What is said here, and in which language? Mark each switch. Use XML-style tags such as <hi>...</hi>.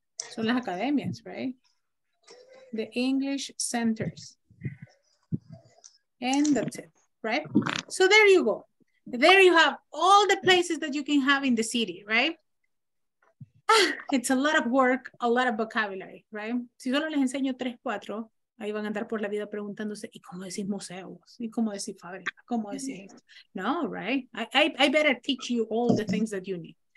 <es>Son las academias,</es> <en>right? The English centers. And that's it, right? So there you go. There you have all the places that you can have in the city, right? It's a lot of work, a lot of vocabulary, right?</en> <es>Si solo les enseño 3-4, ahí van a andar por la vida preguntándose, ¿y cómo decís museos? ¿Y cómo decís fábrica? ¿Cómo decís esto? No, right?</es> <en>I better teach you all the things that you need.</en>